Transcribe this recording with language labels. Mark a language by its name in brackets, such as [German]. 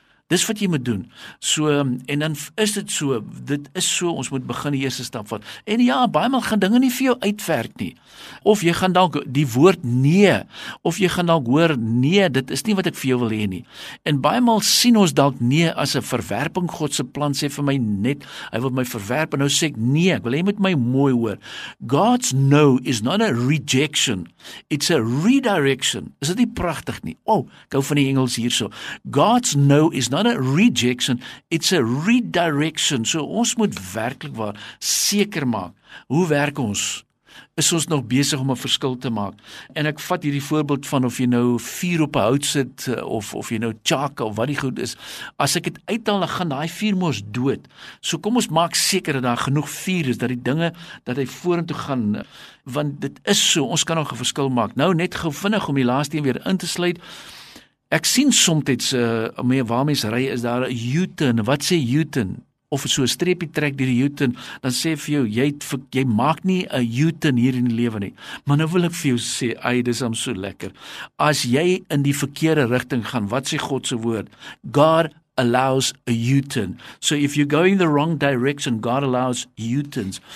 [Afrikaans] dis wat jy moet doen, so, en dan is dit so, dit is so, ons moet begin die eerste stap vat, en ja, baie mal gaan dinge nie vir jou uitwerk nie, of jy gaan dalk die woord nee, of jy gaan dalk hoor nee, dit is nie wat ek vir jou wil hê nie, en baie mal sien ons dalk nee as 'n verwerping, God se plan sê vir my net, hy wil my verwerp, en nou sê ek nee, ek wil hê met my mooi hoor, [English] God's no is not a rejection, it's a redirection, [Afrikaans] is dit nie prachtig nie, oh, ek hou van die Engels hier so, [English] God's no is not a rejection, it's a redirection. [Afrikaans] So ons moet werklik waar seker maak, hoe werk ons? Is ons nog besig om 'n verskil te maak? En ek vat hierdie voorbeeld van of jy nou vuur op 'n hout sit, of jy nou chaka of wat die goed is, as ek dit uithaal, dan gaan daai vuur mos dood. So kom ons maak seker dat daar genoeg vuur is, dat die dinge, dat hy vorentoe gaan, want dit is so, ons kan nog 'n verskil maak. Nou net gevinnig om die laaste een weer in te sluit, ek sien somtijds, waar mens ry, is daar 'n U-turn. Wat sê U-turn? Of so 'n streepie trek deur die U-turn, dan sê vir jou, jy maak nie 'n U-turn hier in die lewe nie. Maar nou wil ek vir jou sê, ay, dis hom so lekker. As jy in die verkeerde rigting gaan, wat sê God se woord? [English] God allows a U-turn. So if you're going the wrong direction, God allows U-turns.